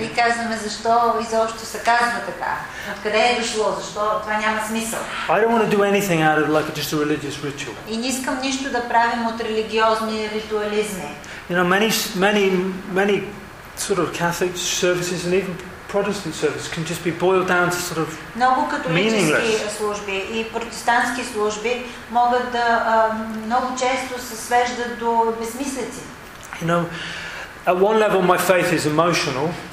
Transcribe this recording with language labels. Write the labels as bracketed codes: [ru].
[bg] И казваме защо изобщо се казва така. Откъде е дошло? Защо? Това няма смисъл. [en] I don't want to do anything out of like just a religious ritual. [bg] И не искам нищо да правим от религиозни ритуализми. [en] You know, many sort of Catholic services and even Protestant service can just be boiled down to sort of meaningless. You know, at one level my faith is emotional.